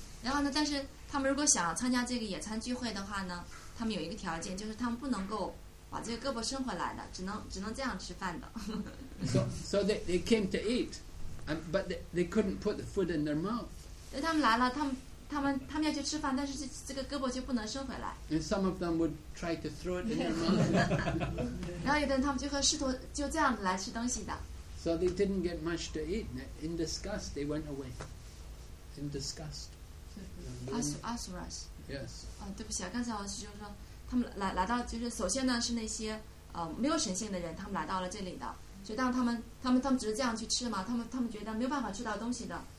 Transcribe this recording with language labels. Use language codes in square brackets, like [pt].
[zh] 然后呢，但是他们如果想要参加这个野餐聚会的话呢，他们有一个条件，就是他们不能够把这个胳膊伸回来的，只能这样吃饭的。 [en] So they came to eat, but they couldn't put the food in their mouth. [zh] 他们来了，他们要去吃饭，但是这个胳膊就不能伸回来。 [en] And some of them would try to throw it in their mouth. [zh] 然后有的人他们就会试图就这样来吃东西的。 [en] So they didn't get much to eat. In disgust, they went away. In disgust. Asuras. Yes. [zh] 对不起啊，刚才我是就是说，他们来到就是首先呢是那些没有神性的人，他们来到了这里的，所以当他们只是这样去吃嘛，他们觉得没有办法吃到东西的。